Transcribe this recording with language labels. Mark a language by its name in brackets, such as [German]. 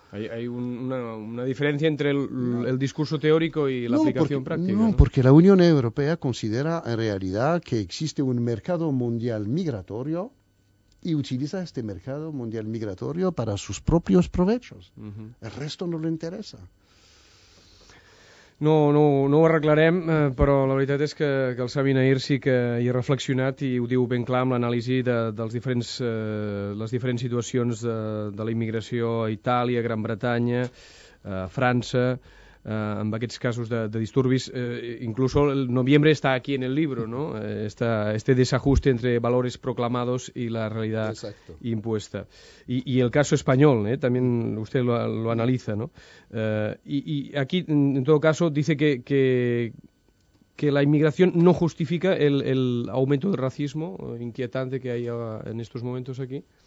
[Spanish] Hay una diferencia entre el discurso teórico y la aplicación práctica. No, porque la Unión Europea considera en realidad que existe un mercado mundial migratorio y utiliza este mercado mundial migratorio para sus propios provechos. Uh-huh. El resto no le interesa. [Catalan] No ho arreglarem, però la veritat és que el Savi Nahir sí que hi ha reflexionat i ho diu ben clar amb l'anàlisi de les diferents situacions de la immigració a Itàlia, Gran Bretanya, França, amb aquests casos de disturbis. [Spanish] Incluso el noviembre está aquí en el libro, ¿no? Este desajuste entre valores proclamados y la realidad. Exacto. Impuesta. Y el caso español, ¿eh? También usted lo analiza, ¿no? Y aquí, en todo caso, dice que la inmigración no justifica el aumento del racismo inquietante que hay en estos momentos aquí.